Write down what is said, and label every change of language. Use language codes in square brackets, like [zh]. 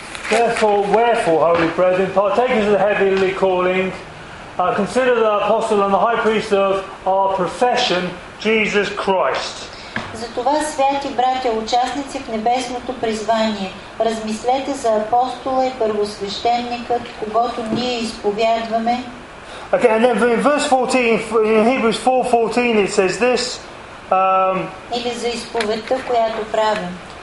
[en] Wherefore, holy brethren, partakers of the heavenly calling, consider the apostle and the high priest of our profession, Jesus Christ. [bg] Затова, святи братя, участници в небесното призвание, размислете за апостола и първосвещеникът, когото ние изповядваме. [en] Okay, and then in verse 14, in Hebrews 4:14, it says this. [bg] Или за изповедта, която правим.